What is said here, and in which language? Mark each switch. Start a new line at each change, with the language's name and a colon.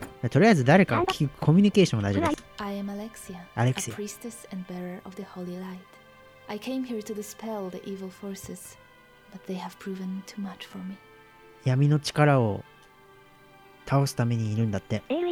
Japanese: とりあえず誰かを聞く、コミュニケーションは大事です。アレクシア、
English: a priestess and bearer of the holy light. I came here to dispel the evil forces. But they have proven too much for me.
Japanese: 闇の力を倒すためにいるんだって。